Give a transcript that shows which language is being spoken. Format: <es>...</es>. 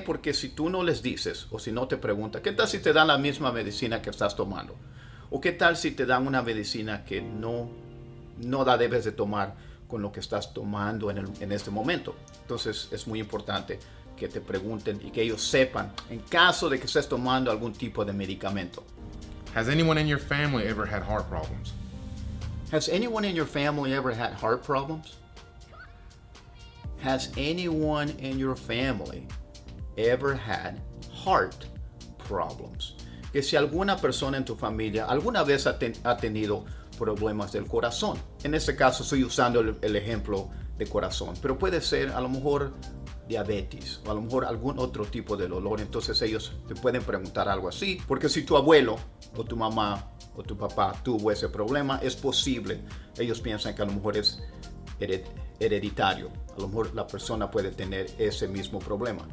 <es>Porque si tú no les dices o si no te preguntan, ¿qué tal si te dan la misma medicina que estás tomando? ¿O qué tal si te dan una medicina que no la debes de tomar con lo que estás tomando en este momento? Entonces es muy importante que te pregunten y que ellos sepan en caso de que estés tomando algún tipo de medicamento.</es> <en>Has anyone in your family ever had heart problems? Has anyone in your family ever had heart problems? Has anyone in your family ever had heart problems?</en> <es>Que si alguna persona en tu familia alguna vez ha tenido problemas del corazón. En este caso estoy usando el ejemplo de corazón, pero puede ser a lo mejor diabetes o a lo mejor algún otro tipo de dolor. Entonces ellos te pueden preguntar algo así, porque si tu abuelo o tu mamá o tu papá tuvo ese problema, es posible, ellos piensan que a lo mejor es hereditario, a lo mejor la persona puede tener ese mismo problema.</es>